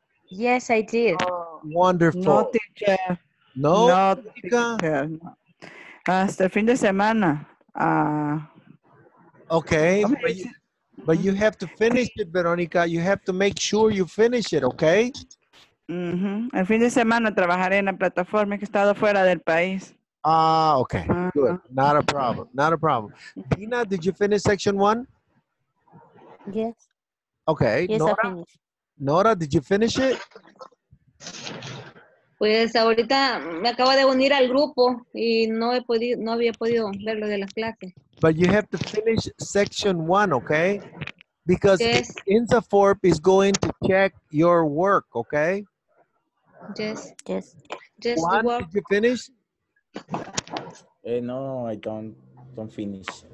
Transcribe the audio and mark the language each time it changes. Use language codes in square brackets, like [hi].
[en] Yes, I did. Wonderful. No, teacher. No, not teacher. [es] Hasta fin de semana. [en] Okay, but you have to finish it, Veronica. You have to make sure you finish it, okay? Mm-hmm. [es] El fin de semana trabajaré en la plataforma que he estado fuera del país. [en] Okay, good. Not a problem. Dina, did you finish section one? Yes. Okay. Yes, Nora, did you finish it? [es] Pues ahorita me acabo de unir al grupo y no había podido ver lo de las clases. [en] But you have to finish section one, okay? Because yes. INSAFORP is going to check your work, okay? Yes. Juan, work. Did you finish? No, I don't finish.